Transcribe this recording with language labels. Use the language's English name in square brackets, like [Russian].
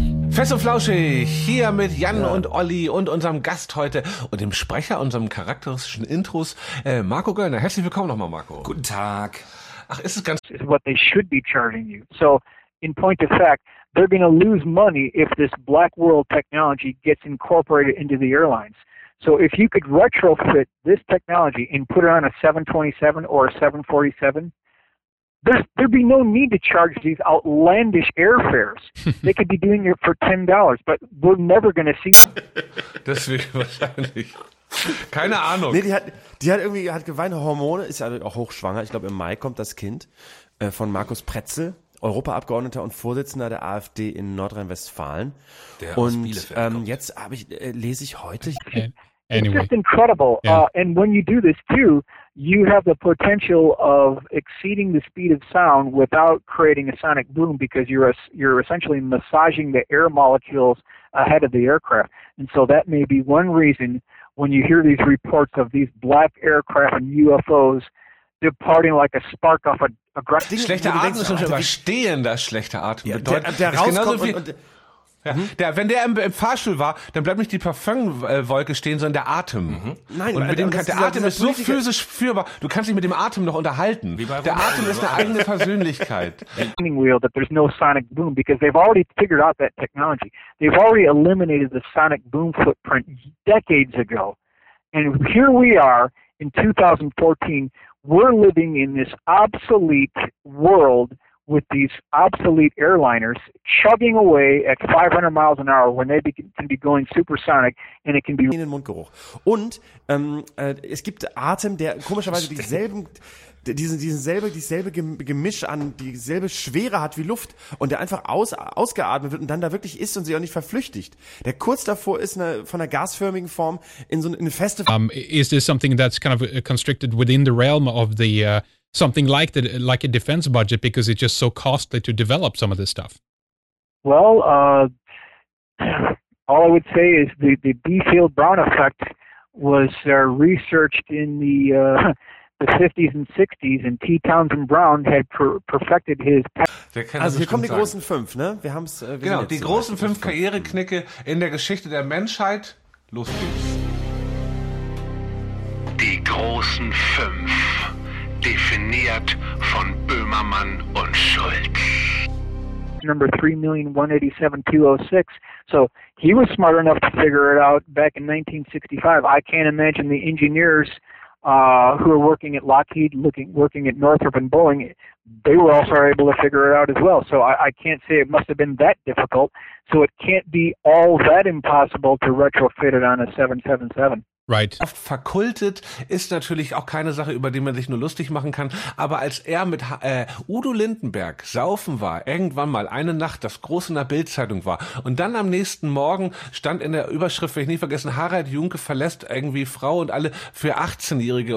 [German] Fest und Flauschig, hier mit Jan und Olli und unserem Gast heute und dem Sprecher, unserem charakteristischen Intros, Marco Göllner. Herzlich willkommen nochmal, Marco. Guten Tag. Ach, ist es ganz... [English] What they should be charging you. So, in point of fact, they're going to lose money if this black world technology gets incorporated into the airlines. So if you could retrofit this technology and put it on a 727 or a 747, there'd be no need to charge these outlandish airfares. They could be doing it for $10, but we're never going to see. [German] Deswegen wahrscheinlich. Keine Ahnung. Nee, die hat geweint, Hormone, ist ja auch hochschwanger. Ich glaube, im Mai kommt das Kind von Markus Pretzel, Europaabgeordneter und Vorsitzender der AfD in Nordrhein-Westfalen. Jetzt lese ich heute. [English] Anyway. It's just incredible. Yeah. And when you do this too, you have the potential of exceeding the speed of sound without creating a sonic boom because you're essentially massaging the air molecules ahead of the aircraft. And so that may be one reason when you hear these reports of these black aircraft and UFOs departing like a spark off a grass. [German] Schlechte Atmung ist schon überstehen, das schlechte Atmen bedeutet. Der rauskommt und Wenn der im Fahrstuhl war, dann bleibt nicht die Parfumwolke stehen, sondern der Atem. Mhm. Nein, und mit dem der Atem ist so physisch spürbar. Du kannst dich mit dem Atem noch unterhalten. Der Atem ist eine eigene Persönlichkeit. [English] That there's no sonic boom because they've already figured out that technology. They've already eliminated the sonic boom footprint decades ago. And here we are in 2014. We're living in this obsolete world with these obsolete airliners chugging away at 500 miles an hour when they can be going supersonic and it can be [German] in den Mundgeruch. Und es gibt Atem, der komischerweise dieselbe Schwere hat wie Luft und der einfach ausgeatmet wird und dann da wirklich ist und sich auch nicht verflüchtigt. Der kurz davor ist von einer gasförmigen Form in so eine feste [English] Is there something that's kind of constricted within the realm of the something like the like a defense budget because it's just so costly to develop some of this stuff. Well, all I would say is the B-field Brown effect was researched in the 50s and 60s and T. Townsend Brown had perfected his. [German] Also hier kommen die großen fünf, ne? Wir haben es. Genau, die großen fünf Karriereknicke in der Geschichte der Menschheit. Los geht's. Die großen fünf. Definiert von Böhmermann und Schulz. [English] Number 3,187,206. So he was smart enough to figure it out back in 1965. I can't imagine the engineers who are working at Lockheed, working at Northrop and Boeing, they were also able to figure it out as well. So I can't say it must have been that difficult. So it can't be all that impossible to retrofit it on a 777. Right. [German] Verkultet ist natürlich auch keine Sache, über die man sich nur lustig machen kann. Aber als er mit Udo Lindenberg saufen war, irgendwann mal eine Nacht, das groß in der Bildzeitung war, und dann am nächsten Morgen stand in der Überschrift, werde ich nie vergessen, Harald Junke verlässt irgendwie Frau und alle für 18-Jährige.